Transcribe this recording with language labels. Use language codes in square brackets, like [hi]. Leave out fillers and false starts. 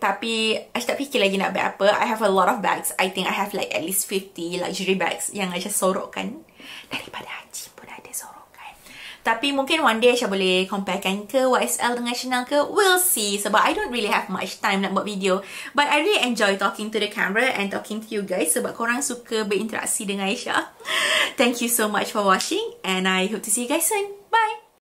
[ms] Tapi Aisyah tak fikir lagi nak bag apa. [en] I have a lot of bags. I think I have like at least 50 luxury bags [ms] yang Aisyah sorokkan. Daripada Haji pun ada sorokkan. Tapi mungkin one day Aisyah boleh comparekan ke YSL dengan Chanel ke. [en] We'll see. Sebab I don't really have much time [ms] nak buat video. [en] But I really enjoy talking to the camera and talking to you guys. [ms] Sebab korang suka berinteraksi dengan Aisyah. [en] Thank you so much for watching. And I hope to see you guys soon. Bye!